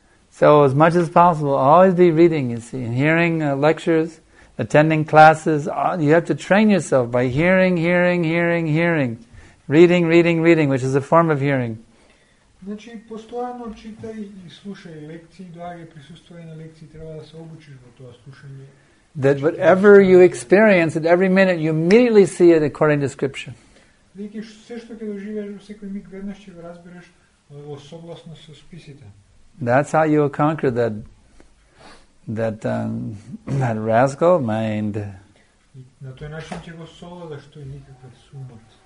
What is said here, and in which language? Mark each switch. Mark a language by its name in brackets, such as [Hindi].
[English] So as much as possible, always be reading, you see, hearing lectures, attending classes. You have to train yourself by hearing, hearing, hearing, hearing. Reading, reading, reading, which is a form of hearing. [Macedonian] Значи постојано читај и слушај лекции, доаѓај присуствувај на лекции, треба да се обучиш во тоа слушање. [English] That whatever you experience at every minute, you immediately see it according to scripture. [Macedonian] Веќе се што ќе доживееш во секој миг веднаш ќе го разбереш во согласно со списите. [English] That's how you will conquer that rascal mind. [Macedonian] На тој начин ќе го совладаш тој никаква сумот.